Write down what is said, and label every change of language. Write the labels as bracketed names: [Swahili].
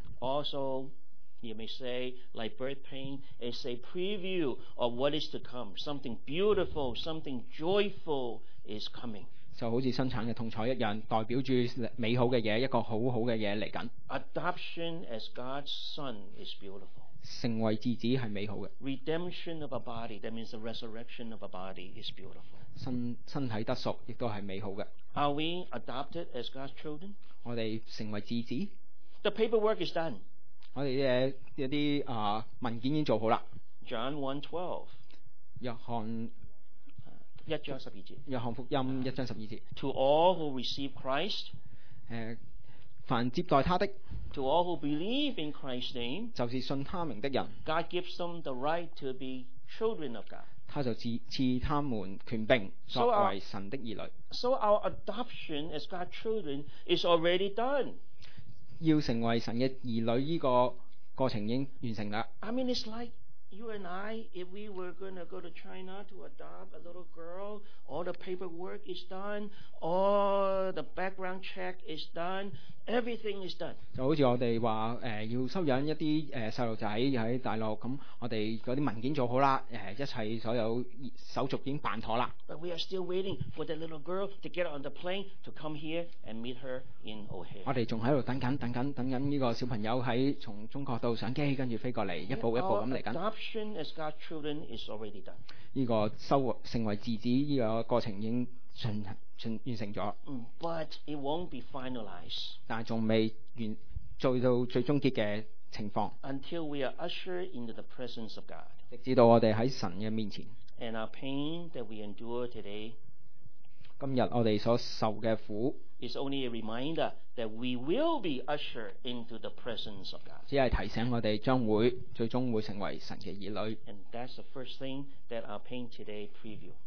[English] Also, you may say, like birth pain, is a preview of what is to come. Something beautiful, something joyful is coming. [Chinese] 就好像生产的痛楚一样，代表着美好的东西，一个好好的东西来紧。 [English] Adoption as God's son is beautiful. [Chinese] 成为子子是美好的。 [English] Redemption of a body, that means the resurrection of a body is beautiful. [Chinese] 身体得赎也是美好的。 [English] Are we adopted as God's children? [Chinese] 我们成为子子。 [English] The paperwork is done. [Chinese] 我们的一些文件已经做好了。 [English] John 1:12. [Chinese] 约翰福音1章12节。 [English] To all who receive Christ, [Chinese] 凡接待他的， [English] To all who believe in Christ's name, [Chinese] 就是信他名的人， [English] God gives them the right to be children of God. [Chinese] 他就赐他们权柄作为神的儿女。 [English] So our adoption as God's children is already done. [Chinese] 要成为神的儿女这个过程已经完成了。 [English] I mean it's like you and I, if we were going to go to China to adopt a little girl, all the paperwork is done, all the background check is done. Everything is done. [Chinese] 就好像我们说要收养一些小孩子在大陆，那我们那些文件做好了，一切所有手续已经办妥了。 [English] But we are still waiting for that little girl to get on the plane to come here and meet her in O'Hare. [Chinese] 我们还在等着这个小朋友在从中国到上机跟着飞过来，一步一步地来。 [English] Our adoption as God's children is already done. [Chinese] 这个成为子子这个过程已经完成了。 [English] But it won't be finalized. [Chinese] 但还未做到最终结的情况。 [English] Until we are ushered into the presence of God. [Chinese] 直到我们在神的面前。 [English] And our pain that we endure today, [Chinese] 今日我们所受的苦 [English] is only a reminder that we will be ushered into the presence of God. [Chinese] 只是提醒我们将会最终会成为神的儿女。 [English] And that's the first thing that our pain today preview.